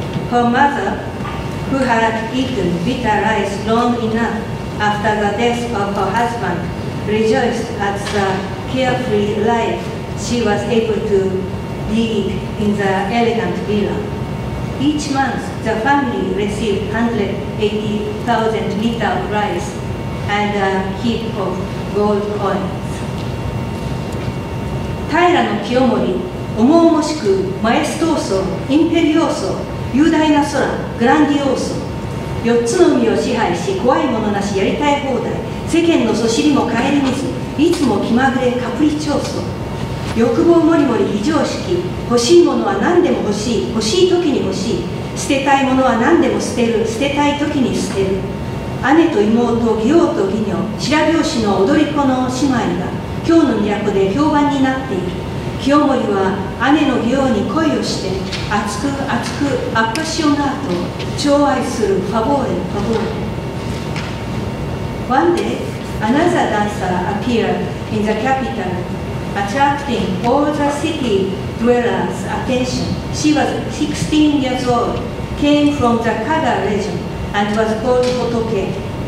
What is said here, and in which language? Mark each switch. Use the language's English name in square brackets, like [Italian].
[English] Her mother, who had eaten bitter rice long enough after the death of her husband, rejoiced at the carefree life she was able to lead in the elegant villa. Each month, the family received 180,000 liters of rice and a heap of gold coins. [Japanese] 平清盛、重々しく、マエストーソ、インペリオーソ、雄大な空、グランディオーソ。四つの海を支配し、怖いものなし、やりたい放題。世間のそしりも顧みず、いつも気まぐれ、カプリチョーソ。欲望もりもり、非常識。欲しいものは何でも欲しい。欲しい時に欲しい。捨てたいものは何でも捨てる。捨てたい時に捨てる。姉と妹、義王と義女、白拍子の踊り子の姉妹が、京の都で評判になっている。清盛は姉の義王に恋をして、熱く、アッパシオナートを寵愛するファボーレ。 [English] One day, another dancer appeared in the capital, attracting all the city dwellers' attention. She was 16 years old, came from the Kaga region, and was called Hotoke.